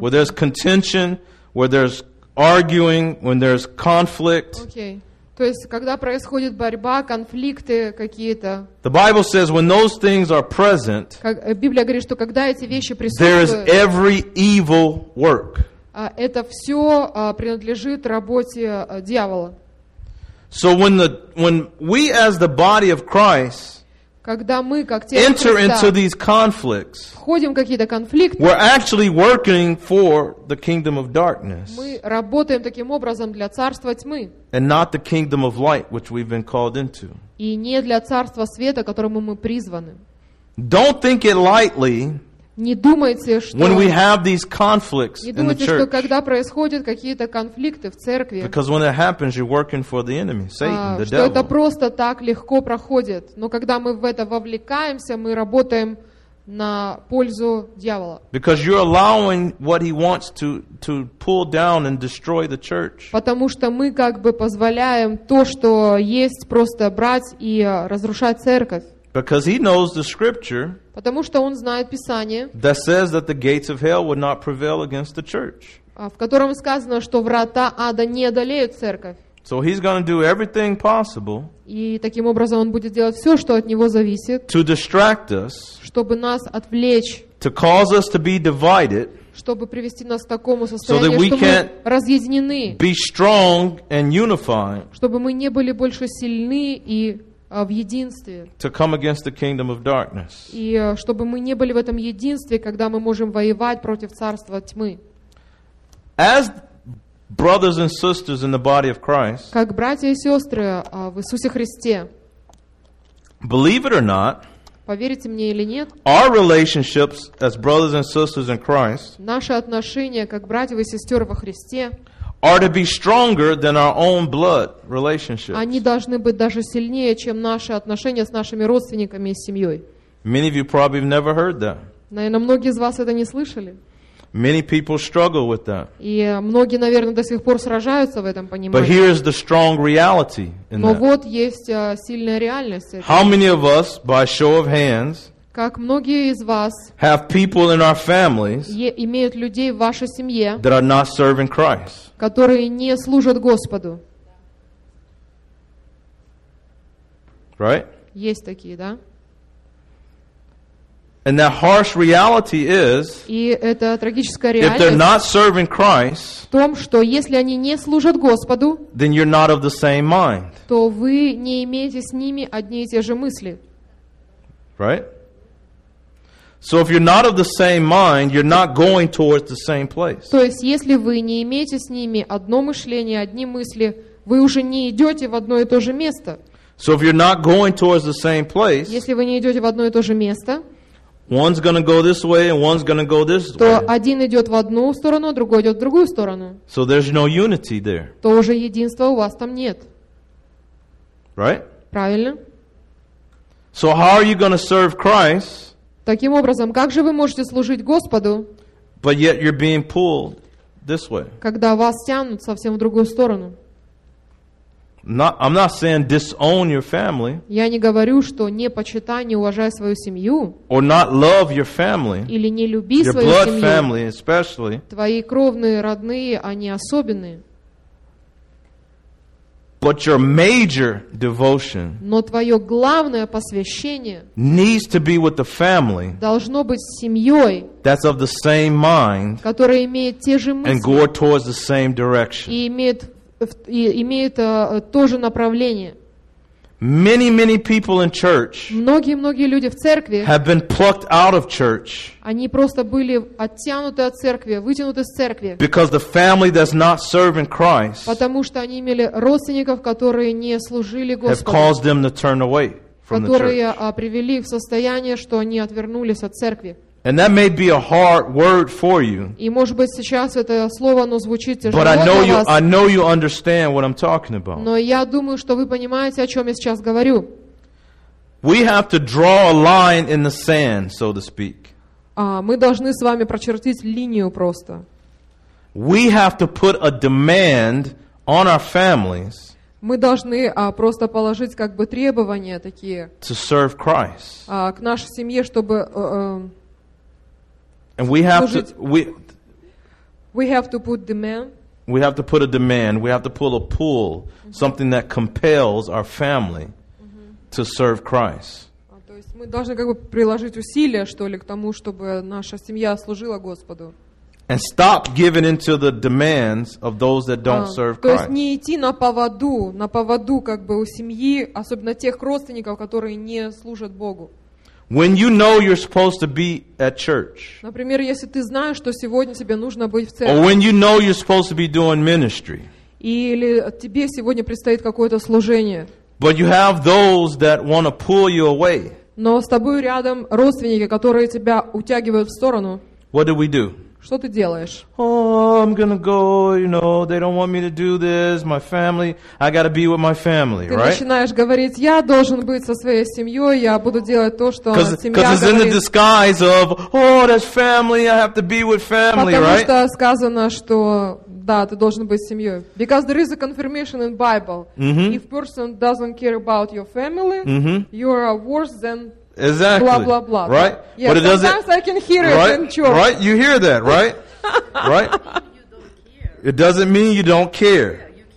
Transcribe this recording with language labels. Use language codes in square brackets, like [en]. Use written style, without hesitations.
[en] Where there's contention, where there's arguing, when there's conflict. Okay. [ru] То есть, когда происходит борьба, конфликты какие-то. [en] The Bible says when those things are present, [ru] как, Библия говорит, что когда эти вещи присутствуют, [en] there is every evil work. [ru] Это все принадлежит работе дьявола. [en] So when we as the body of Christ, [ru] когда мы как тело [en] enter Христа, into these conflicts, [ru] входим в какие-то конфликты, [en] we're actually working for the kingdom of darkness. [ru] Мы работаем таким образом для царства тьмы. [en] And not the kingdom of light, which we've been called into. [ru] И не для царства света, которому мы призваны. [en] Don't think it lightly. [ru] Не думайте, что [en] when we have these conflicts [ru] не думайте, [en] in the church, [ru] что когда происходят какие-то конфликты в церкви, [en] because when it happens, you're working for the enemy, Satan, the [ru] devil. Что это просто так легко проходит, но когда мы в это вовлекаемся, мы работаем на пользу дьявола. [en] Because you're allowing what he wants to pull down and destroy the church. [ru] Потому что мы как бы позволяем то, что есть, просто брать и разрушать церковь. [en] Because he knows the scripture, [ru] потому что он знает Писание, [en] that says that the gates of hell would not prevail against the church. [ru] В котором сказано, что врата ада не одолеют церковь. [en] So he's going to do everything possible. [ru] И таким образом он будет делать все, что от него зависит. [en] To distract us. [ru] Чтобы нас отвлечь. [en] To cause us to be divided. [ru] Чтобы привести нас к такому состоянию, что мы разъединены. [en] Be strong and unified. [ru] Чтобы мы не были больше сильны и в единстве. [en] To come against the kingdom of darkness. [ru] И чтобы мы не были в этом единстве, когда мы можем воевать против царства тьмы. [en] As brothers and sisters in the body of Christ. [ru] Как братья и сестры в Иисусе Христе. [en] Believe it or not. [ru] Поверите мне или нет. [en] Our relationships as brothers and sisters in Christ. [ru] Наши отношения как братьев и сестер во Христе. [en] Are to be stronger than our own blood relationships. [ru] Они должны быть даже сильнее, чем наши отношения с нашими родственниками и семьей. [en] Many of you probably have never heard that. [ru] Наверное, многие из вас это не слышали. [en] Many people struggle with that. [ru] И многие, наверное, до сих пор сражаются в этом понимании. [en] But here is the strong reality in [ru] но [en] that. [ru] Вот есть сильная реальность. [en] How many of us, by show of hands, [ru] как многие из вас [en] have people in our families [ru] имеют людей в вашей семье, [en] that are not serving Christ? [ru] Которые не служат Господу. [en] Right? [ru] Есть такие, да? [en] And that harsh reality is, [ru] и это трагическая реальность, [en] if they're not serving Christ, [ru] в том, что если они не служат Господу, [en] then you're not of the same mind. [ru] То вы не имеете с ними одни и те же мысли. [en] Right? So if you're not of the same mind, you're not going towards the same place. [ru] То есть, если вы не имеете с ними одно мышление, одни мысли, вы уже не идете в одно и то же место. [en] So if you're not going towards the same place, [ru] если вы не идете в одно и то же место, [en] one's going to go this way and one's going to go this way. [ru] То один идет в одну сторону, другой идет в другую сторону. [en] So there's no unity there. [ru] То уже единства у вас там нет. [en] Right? [ru] Правильно. [en] So how are you going to serve Christ? [ru] Таким образом, как же вы можете служить Господу, [en] but yet you're being pulled this way. [ru] Когда вас тянут совсем в другую сторону? [en] I'm not saying disown your family. [ru] Я не говорю, что не почитай, не уважай свою семью. [en] Or not love your family. [ru] Или не люби свою семью. [en] Your blood family especially. [ru] Твои кровные родные, они особенные. [en] But your major devotion. [ru] Но твое главное посвящение. [en] Needs to be with the family. [ru] Должно быть с семьей. [en] That's of the same mind. [ru] Которая имеет те же мысли. [en] And go towards the same direction. [ru] И имеет то же направление. [en] Many people in church. [ru] Многие люди в церкви. [en] Have been plucked out of church. [ru] Они просто были оттянуты от церкви, вытянуты из церкви. [en] Because the family does not serve in Christ. [ru] Потому что они имели родственников, которые не служили Господу. [en] Have caused them to turn away from the church. [ru] Которые привели их в состояние, что они отвернулись от церкви. [en] And that may be a hard word for you. [ru] И может быть сейчас это слово, оно звучит тяжело. [en] But I know you understand what I'm talking about. [ru] Но я думаю, что вы понимаете, о чем я сейчас говорю. [en] We have to draw a line in the sand, so to speak. [ru] Мы должны с вами прочертить линию просто. [en] We have to put a demand on our families. [ru] Мы должны просто положить как бы требования такие. [en] To serve Christ. [ru] К нашей семье, чтобы [en] And we have We have to put a demand. We have to pull a pull, mm-hmm. something that compels our family mm-hmm. to serve Christ. [ru] То есть мы должны как бы приложить усилия, что ли, к тому, чтобы наша семья служила Господу. [en] And stop giving into the demands of those that don't serve Christ. [ru] То есть не идти на поводу как бы у семьи, особенно тех родственников, которые не служат Богу. [en] When you know you're supposed to be at church. [ru] Например, если ты знаешь, что сегодня тебе нужно быть в церкви. [en] Or when you know you're supposed to be doing ministry. [ru] Или тебе сегодня предстоит какое-то служение. [en] But you have those that want to pull you away. [ru] Но с тобой рядом родственники, которые тебя утягивают в сторону. [en] What do we do? [ru] Что ты делаешь? [en] Oh, I'm gonna go, you know, they don't want me to do this, my family, I gotta be with my family, [ru] ты [en] right? [ru] Ты начинаешь говорить, я должен быть со своей семьей, я буду делать то, что семья говорит. [en] Because it's in the disguise of, oh, that's family, I have to be with family, [ru] Потому [en] right? [ru] Потому что сказано, что, да, ты должен быть с семьей. [en] Because there is a confirmation in Bible. Mm-hmm. If person doesn't care about your family, mm-hmm. you are worse than Exactly. Blah, blah, blah. Right? Yeah, but it doesn't. Sometimes I can hear it right, in church. Right? You hear that, right? Right? It doesn't mean you don't care.